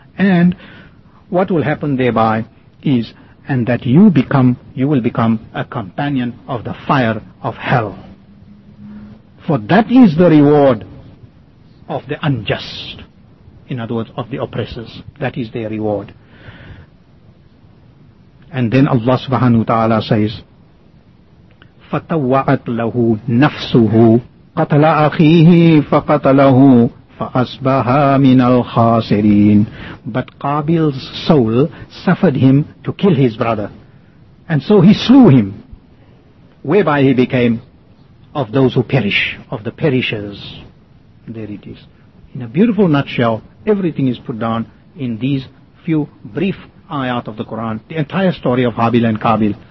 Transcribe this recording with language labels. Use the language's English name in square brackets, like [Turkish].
[English] And what will happen thereby is, and that you will become a companion of the fire of hell. For that is the reward of the unjust. In other words, of the oppressors. That is their reward. And then Allah subhanahu wa ta'ala says, [Arabic] فَتَوَّعَتْ لَهُ نَفْسُهُ قَتَلَ أَخِيهِ فَقَتَلَهُ فَأَصْبَحَ مِنَ الْخَاسِرِينَ. [English] But Qabil's soul suffered him to kill his brother. And so he slew him, whereby he became of those who perish, of the perishers. There it is. In a beautiful nutshell, everything is put down in these few brief ayat of the Quran, the entire story of Habil and Qabil.